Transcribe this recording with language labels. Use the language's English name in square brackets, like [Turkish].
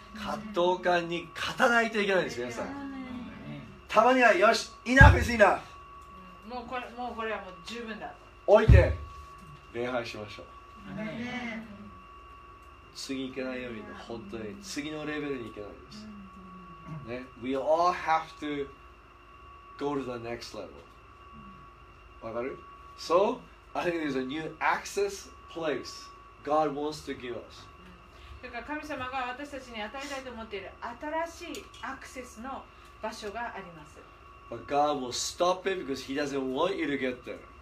[Japanese] 葛藤感に勝たないといけないんですよ、皆さん。たまにはよし、 [English] enough is enough。 [Japanese] もうこれはもう十分だと。置いて礼拝しましょう。次行けないように、本当に次のレベルに行けないです。 [English] ね、We all have to go to the next level. わかる？So, I think there's a new access place God wants to give us. [Japanese] だから神様が私たちに与えたいと思っている新しいアクセスの場所があります。 [English] But God will stop it because He doesn't want you to get there.